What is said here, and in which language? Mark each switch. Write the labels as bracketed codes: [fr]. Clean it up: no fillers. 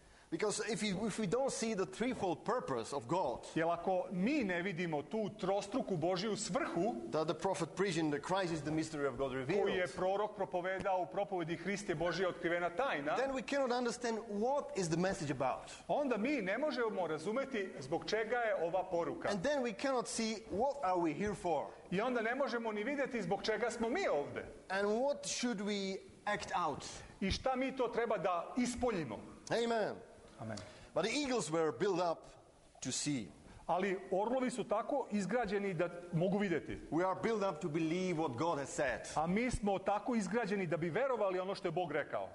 [en] Because if we don't see the threefold purpose of God, [sr] jer ako mi ne vidimo tu trostruku Božiju svrhu, [en] that the prophet preached in the crisis the mystery of God revealed, [sr] koji je prorok propovedao u propovedi Hriste Božija otkrivena tajna, [en] then we cannot understand what is the message about. [sr] Onda mi ne možemo razumeti zbog čega je ova poruka. [en] And then we cannot see what are we here for. [sr] I onda ne možemo ni videti zbog čega smo mi ovde. [en] And what should we act out? [sr] I šta mi to treba da ispoljimo? [en] Amen. Amen. But the eagles were built up to see. [sr] Ali orlovi su tako izgrađeni da mogu videti. [en] We are built up to believe what God has said. [sr] A mi smo tako izgrađeni da bi verovali ono što je Bog rekao.